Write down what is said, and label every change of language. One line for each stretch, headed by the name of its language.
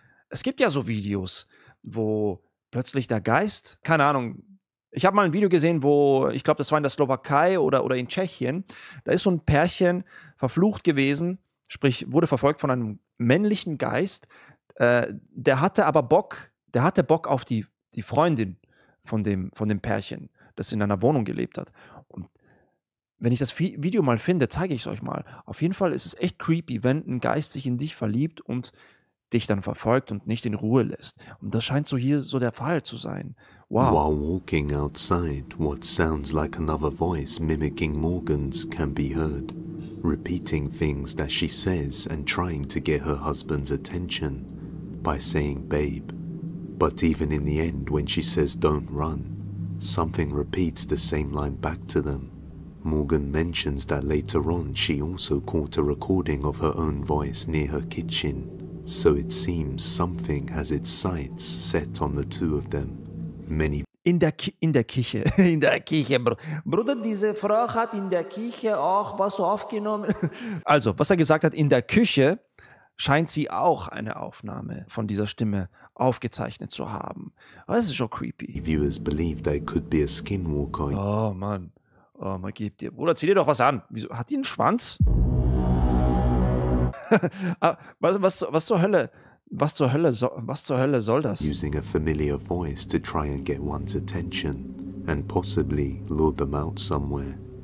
German: Es gibt ja so Videos, wo plötzlich der Geist, keine Ahnung, ich habe mal ein Video gesehen, wo, ich glaube, das war in der Slowakei oder in Tschechien, da ist so ein Pärchen verflucht gewesen, sprich wurde verfolgt von einem männlichen Geist, der hatte aber Bock auf die Freundin von dem Pärchen, das in einer Wohnung gelebt hat. Wenn ich das Video mal finde, zeige ich es euch mal. Auf jeden Fall ist es echt creepy, wenn ein Geist sich in dich verliebt und dich dann verfolgt und nicht in Ruhe lässt. Und das scheint so hier so der Fall zu sein. Wow.
English: While walking outside, what sounds like another voice mimicking Morgan's can be heard, repeating things that she says and trying to get her husband's attention. by saying babe. But even in the end, when she says don't run, something repeats the same line back to them. Morgan mentions that later on she also caught a recording of her own voice near her kitchen, so it seems something has its sights set on the two of them. Many
German: in der Kirche, Bruder, diese Frau hat in der Kirche auch was aufgenommen. Also, was er gesagt hat, in der Küche scheint sie auch eine Aufnahme von dieser Stimme aufgezeichnet zu haben. Das ist schon creepy.
English: The viewers believe they could be a skinwalker.
German: Oh Mann. Oh, man gibt dir. Bruder, zieh dir doch was an. Wieso? Hat die einen Schwanz? was zur Hölle? Was zur Hölle soll das?
English: Using a familiar voice to try and get one's attention and possibly lure them out somewhere.